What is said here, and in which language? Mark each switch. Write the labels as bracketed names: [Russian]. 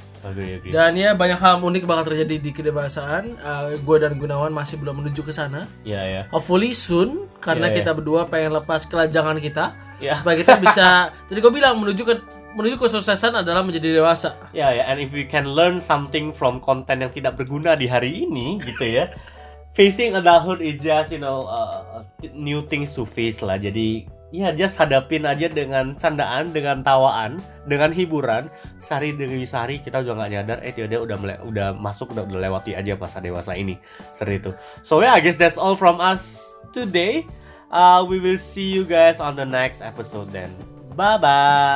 [Indonesian] Agree. Dan ya, banyak hal unik bakal terjadi di kedewasaan. Gue dan Gunawan masih belum menuju ke sana. [English] Yeah. Hopefully soon, [Indonesian] karena kita berdua pengen lepas kelajangan kita. Yeah. Supaya kita bisa, tadi gue bilang, menuju kesuksesan adalah menjadi dewasa. [English] Yeah. And if we can learn something from [Indonesian] konten yang tidak berguna di hari ini, gitu ya. [English] Facing adulthood is just, you know, new things to face lah. [Indonesian] Jadi ya, just hadapin aja dengan candaan, dengan tawaan, dengan hiburan. Sehari demi sehari kita juga gak nyadar, tiba-tiba udah lewati aja masa dewasa ini. Seperti itu. [English] So yeah, I guess that's all from us today. We will see you guys on the next episode then. Bye-bye.